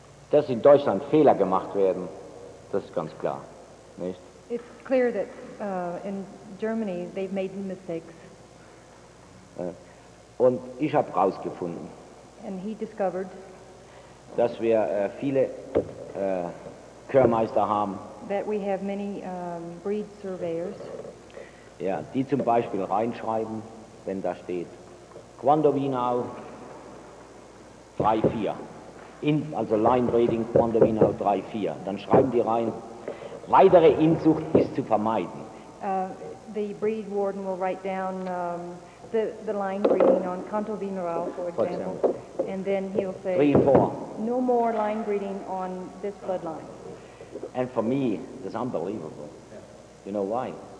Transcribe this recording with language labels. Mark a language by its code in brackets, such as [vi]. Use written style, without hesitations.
[de] Dass in Deutschland Fehler gemacht werden, das ist ganz klar, nicht? [en] It's clear that in Germany they've made mistakes. [de] Und ich habe rausgefunden. [en] And he discovered. [de] Dass wir viele Körmeister haben. [en] That we have many breed surveyors. [de] Ja, die zum Beispiel reinschreiben, wenn da steht, Quando Wienerau 3-4, also [en] Line Breeding [de] Quando Wienerau 3-4, dann schreiben die rein, weitere Inzucht ist zu vermeiden. [en] The breed warden will write down the line breeding on Quando Wienerau, for example, and then he'll say, 3-4. No more line breeding on this bloodline. And for me, that's unbelievable. You know why?